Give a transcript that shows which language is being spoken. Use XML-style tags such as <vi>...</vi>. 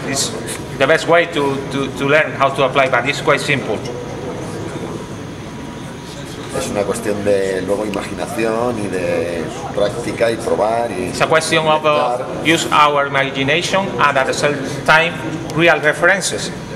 <en>It's the best way to learn how to apply, but it's quite simple.</en> <es>Es una cuestión de luego imaginación y de práctica y probar. Y</es> <en>it's a question of use our imagination and at the same time real references.</en>